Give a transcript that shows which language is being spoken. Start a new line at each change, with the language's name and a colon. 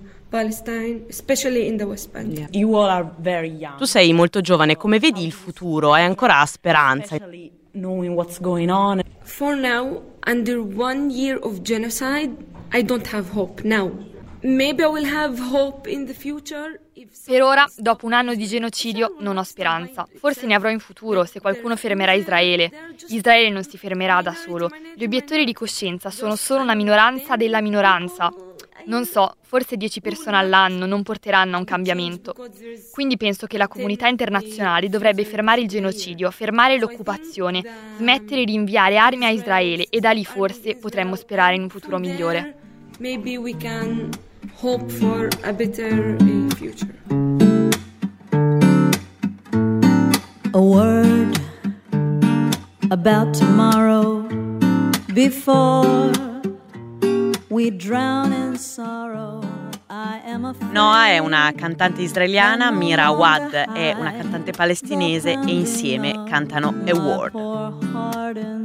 English: Palestine, especially in the West Bank. Yeah. You all are very young.
Italian: Tu sei molto giovane, come vedi il futuro? Hai ancora speranza?
English: Knowing what's going on. For now, under one year of genocide, I don't have hope now. Maybe I will have hope in the future.
Italian: Per ora, dopo un anno di genocidio, non ho speranza. Forse ne avrò in futuro, se qualcuno fermerà Israele. Israele non si fermerà da solo. Gli obiettori di coscienza sono solo una minoranza della minoranza. Non so, forse 10 persone all'anno non porteranno a un cambiamento. Quindi penso che la comunità internazionale dovrebbe fermare il genocidio, fermare l'occupazione, smettere di inviare armi a Israele e da lì forse potremmo sperare in un futuro migliore.
English: Maybe we can hope for a better future. A word about tomorrow before we drown in sorrow.
Italian: Noa è una cantante israeliana, Mira Awad è una cantante palestinese e insieme cantano A Word.